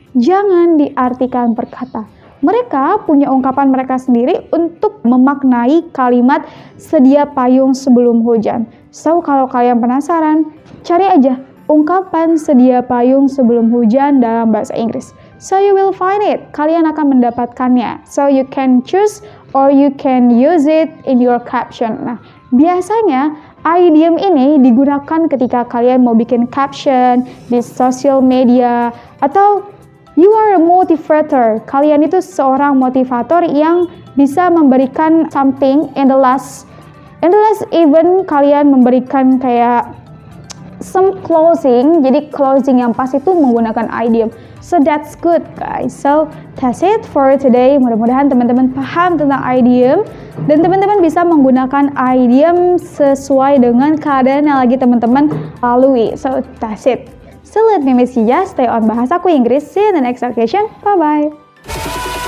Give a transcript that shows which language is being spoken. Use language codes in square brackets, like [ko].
[id] Jangan diartikan berkata. Mereka punya ungkapan mereka sendiri untuk memaknai kalimat sedia payung sebelum hujan. So, kalau kalian penasaran, cari aja ungkapan sedia payung sebelum hujan dalam bahasa Inggris. [en] So, you will find it. [id] Kalian akan mendapatkannya. [en] So, you can choose or you can use it in your caption. [id] Nah, biasanya idiom ini digunakan ketika kalian mau bikin caption di social media atau [en] you are a motivator. [id] Kalian itu seorang motivator yang bisa memberikan [en] something in the last even [id] kalian memberikan kayak [en] some closing. [id] Jadi closing yang pas itu menggunakan idiom. [en] So that's good, guys. So that's it for today. [id] Mudah-mudahan teman-teman paham tentang idiom dan teman-teman bisa menggunakan idiom sesuai dengan keadaan yang lagi teman-teman lalui. [en] So that's it. So let me miss you, stay on Bahasaku Inggris. See you in the next occasion. Bye-bye.